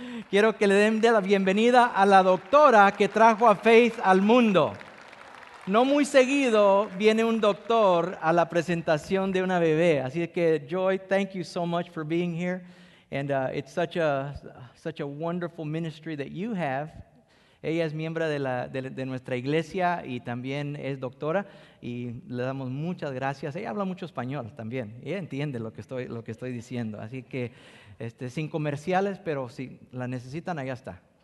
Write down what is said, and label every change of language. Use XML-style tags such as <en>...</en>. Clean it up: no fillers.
<es>Quiero que le den de la bienvenida a la doctora que trajo a Faith al mundo. No muy seguido viene un doctor a la presentación de una bebé, así que Joy,</es> <en>thank you so much for being here. And it's such a wonderful ministry that you have.</en> <es>Ella es miembro de nuestra iglesia y también es doctora, y le damos muchas gracias. Ella habla mucho español también. Ella entiende lo que estoy diciendo. Así que sin comerciales, pero si la necesitan, allá está.</es>